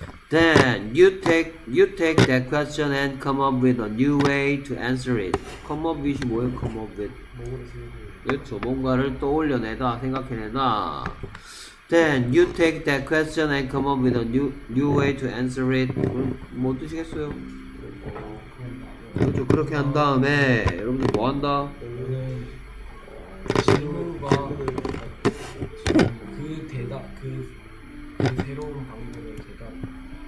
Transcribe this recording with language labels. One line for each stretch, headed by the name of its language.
English: Then you take that question and come up with a new way to answer it. Come up with
Korean: 뭐예요?
English: Come up with
Korean: 그렇죠. 뭔가를 떠올려내다, 생각해내다.
English: Then you take that question and come up with a new way to answer it.
Korean: 뭐 뜻이겠어요? 그렇죠. 그렇게 한 다음에 여러분들 뭐 한다? 질문과 그 대답 그 새로운 방법을 대답하는.